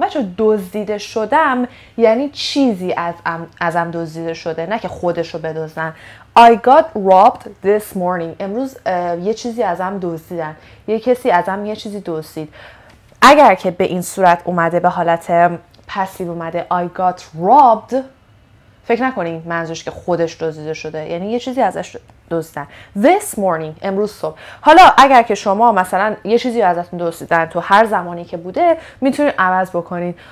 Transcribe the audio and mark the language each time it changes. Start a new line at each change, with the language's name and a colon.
Persian: بچه دزدیده شدم یعنی چیزی ازم دزدیده شده، نه که خودشو بدزدن.
English: I got robbed this morning.
Persian: امروز یه چیزی ازم دزدیدن. یه کسی ازم یه چیزی دزدید. اگر که به این صورت اومده، به حالت پسیو اومده،
English: I got robbed،
Persian: فکر نکنین منظورش که خودش دزدیده شده، یعنی یه چیزی ازش دزدیدن.
English: This morning،
Persian: امروز صبح. حالا اگر که شما مثلا یه چیزی ازتون دزدیدن تو هر زمانی که بوده، میتونین عوض بکنین.